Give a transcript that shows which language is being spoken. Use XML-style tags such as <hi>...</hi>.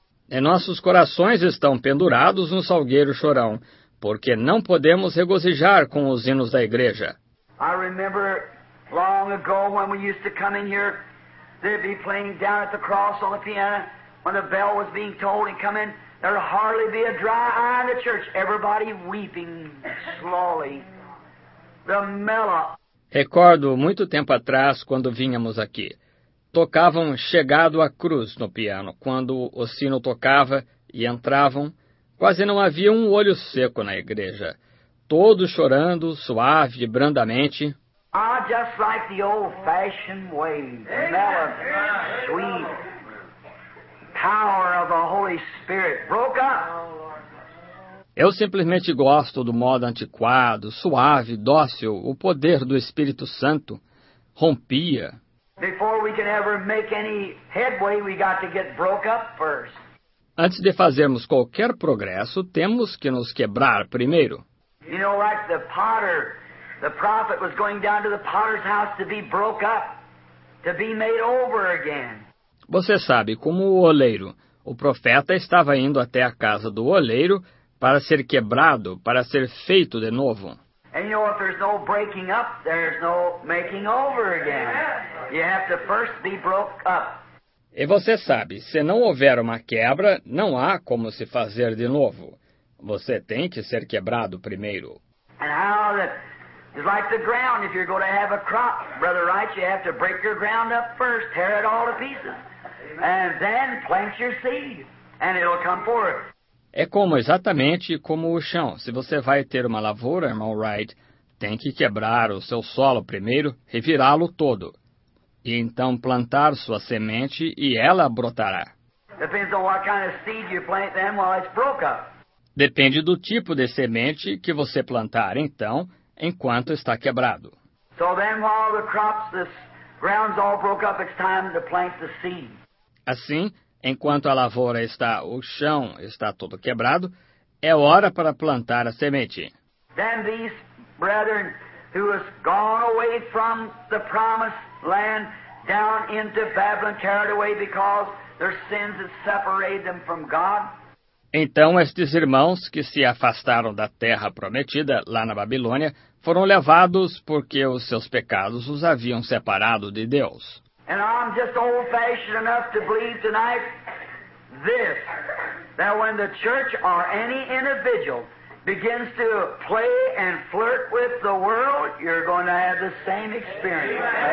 <pt>E nossos corações estão pendurados no salgueiro Chorão, porque não podemos regozijar com os hinos da igreja.</pt> <en>I remember long ago when we used to come in here, they'd be playing down at the cross on the piano. When the bell was being tolled and come in, there'd hardly be a dry eye in the church. Everybody weeping slowly. The mellow.</en> <pt>Recordo muito tempo atrás, quando vínhamos aqui. Tocavam Chegado à Cruz no piano. Quando o sino tocava e entravam, quase não havia um olho seco na igreja. Todos chorando, suave, brandamente.</pt> <en>I just like the old-fashioned way. The mellow, sweet. Power of the Holy Spirit broke up.</en> <pt>Eu simplesmente gosto do modo antiquado, suave, dócil, o poder do Espírito Santo rompia.</pt> <en>Before we can ever make any headway, we got to get broke up first.</en> <pt>Antes de fazermos qualquer progresso, temos que nos quebrar primeiro.</pt> <en>You know, like the potter, the prophet was going down to the potter's house to be broke up, to be made over again.</en> <pt>Você sabe, como o oleiro, o profeta estava indo até a casa do oleiro para ser quebrado, para ser feito de novo.</pt> <en>And you know, if there's no breaking up, there's no making over again. You have to first be broke up.</en> <pt>E você sabe, se não houver uma quebra, não há como se fazer de novo. Você tem que ser quebrado primeiro.</pt> <en>And how that is like the ground. If you're going to have a crop, Brother Wright, you have to break your ground up first, tear it all to pieces. And then plant your seed, and it'll come forth.</en> <pt>É como exatamente como o chão. Se você vai ter uma lavoura, irmão Wright, tem que quebrar o seu solo primeiro, revirá-lo todo. E então plantar sua semente e ela brotará.</pt> <en>Depends on what kind of seed you plant then while it's broke up.</en> <pt>Depende do tipo de semente que você plantar então, enquanto está quebrado.</pt> <en>So then while the crops, the ground's all broke up, it's time to plant the seed.</en> <pt>Assim, enquanto a lavoura está, o chão está todo quebrado, é hora para plantar a semente.</pt> <en>Then these brethren who has gone away from the promised land down into Babylon carried away because their sins have separated them from God.</en> <pt>Então estes irmãos que se afastaram da terra prometida lá na Babilônia foram levados porque os seus pecados os haviam separado de Deus.</pt> <en>And I'm just old-fashioned enough to believe tonight this, that when the church or any individual begins to play and flirt with the world, you're going to have the same experience.</en>